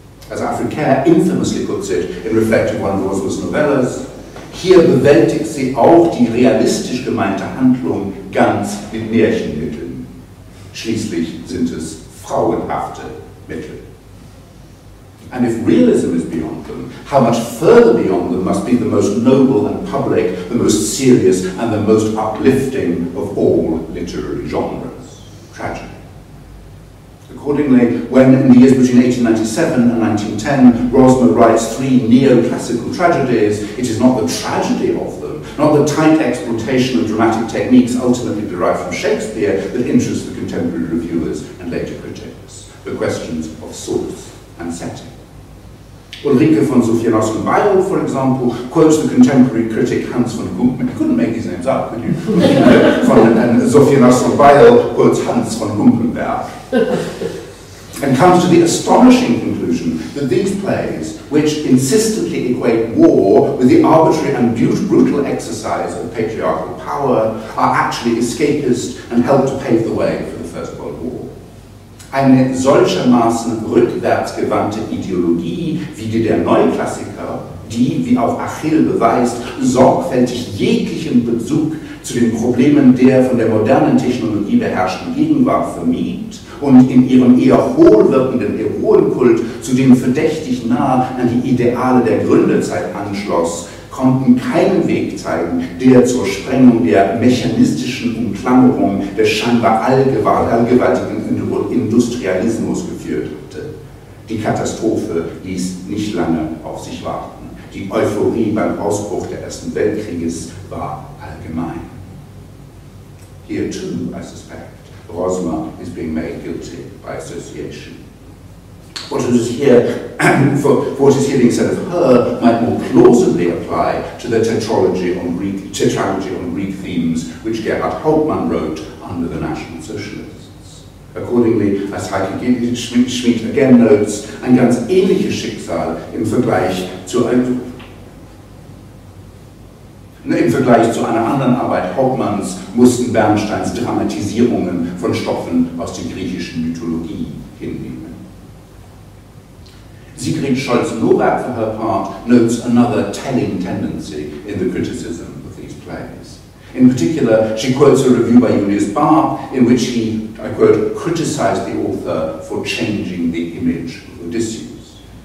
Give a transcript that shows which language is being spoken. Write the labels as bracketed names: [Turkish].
[English] As Afrikaer infamously puts it in reflect of one of Rosmer's novellas, [German] hier bewältigt sie auch die realistisch gemeinte Handlung ganz mit Märchenmitteln. Schließlich sind es frauenhafte Mittel. [English] And if realism is beyond them, how much further beyond them must be the most noble and public, the most serious and the most uplifting of all literary genres? Tragedy. Accordingly, when in the years between 1897 and 1910, Rosmer writes three neoclassical tragedies, it is not the tragedy of them, not the tight exploitation of dramatic techniques ultimately derived from Shakespeare that interests the contemporary reviewers and later critics, the questions of source and setting. Ulrike von Sofianowski Weil, for example, quotes the contemporary critic Hans von Gumpen. You couldn't make these names up, could you? And Sofianowski Weil quotes Hans von Gumpenberg. And comes to the astonishing conclusion that these plays, which insistently equate war with the arbitrary and brutal exercise of patriarchal power, are actually escapist and help to pave the way for the First World War. [German] Eine solchermaßen rückwärtsgewandte Ideologie, wie die der Neuklassiker, die, wie auf Achill beweist, sorgfältig jeglichen Bezug zu den Problemen der von der modernen Technologie beherrschten Gegenwart vermied und in ihrem eher hohl wirkenden Heroenkult zudem verdächtig nah an die Ideale der Gründerzeit anschloss, konnten keinen Weg zeigen, der zur Sprengung der mechanistischen Umklammerung des scheinbar allgewaltigen Industrialismus geführt hatte. Die Katastrophe ließ nicht lange auf sich warten. Die Euphorie beim Ausbruch der Ersten Weltkrieges war allgemein. [English] Here too, I suspect, Rosmer is being made guilty by association. What is here being said of her might more plausibly apply to the tetralogy on Greek themes which Gerhard Hauptmann wrote under the National Socialists. Accordingly, as Heike Schmidt again notes, [German] ein ganz ähnliches Schicksal im Vergleich zu einer anderen Arbeit Hauptmanns mussten Bernsteins Dramatisierungen von Stoffen aus der griechischen Mythologie hinnehmen. [English] Sigrid Scholz-Lorak, for her part, notes another telling tendency in the criticism of these plays. In particular, she quotes a review by Julius Barth in which he, I quote, criticized the author for changing the image of Odysseus.